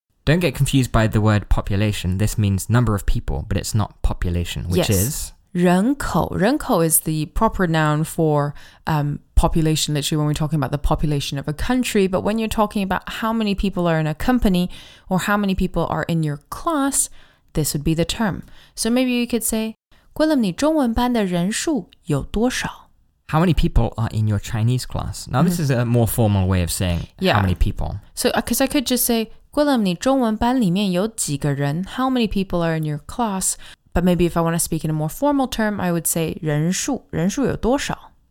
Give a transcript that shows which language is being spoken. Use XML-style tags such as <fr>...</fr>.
<en>Don't get confused by the word population. This means number of people, but it's not population, which yes. is? 人口 is the proper noun for population, literally when we're talking about the population of a country. But when you're talking about how many people are in a company or how many people are in your class, this would be the term. So maybe you could say,</en> <zh>归了你中文班的人数有多少?</zh> <en>How many people are in your Chinese class? Now, this is a more formal way of saying how many people. So, because I could just say,</en> <zh>归了你中文班里面有几个人?</zh> <en>How many people are in your class? But maybe if I want to speak in a more formal term, I would say</en> <zh>人数有多少?</zh>